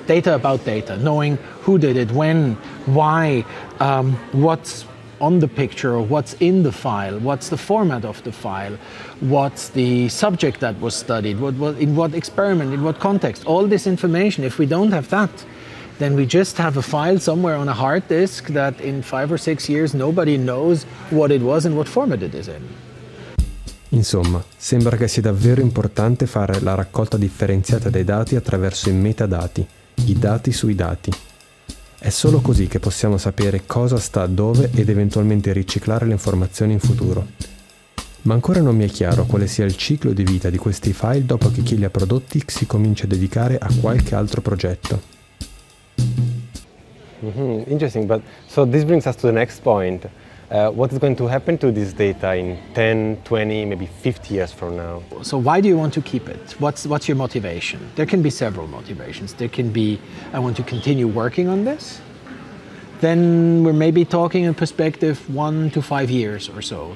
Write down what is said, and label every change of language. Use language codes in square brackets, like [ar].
[en] Data about data, knowing who did it, when, why, what's on the picture, or what's in the file, what's the format of the file, what's the subject that was studied, what in what experiment, in what context. All this information, if we don't have that, then we just have a file somewhere on a hard disk that in 5 or 6 years nobody knows what it was and what format it is in. [it] Insomma, sembra che sia davvero importante fare la raccolta differenziata dei dati attraverso i metadati, i dati sui dati. È solo così che possiamo sapere cosa sta dove ed eventualmente riciclare le informazioni in futuro. Ma ancora non mi è chiaro quale sia il ciclo di vita di questi file dopo che chi li ha prodotti si comincia a dedicare a qualche altro progetto. [en] Interesting, but so this brings us to the next point. What is going to happen to this data in 10, 20, maybe 50 years from now? So why do you want to keep it? What's your motivation? There can be several motivations. There can be, I want to continue working on this. Then we're maybe talking in perspective 1 to 5 years or so.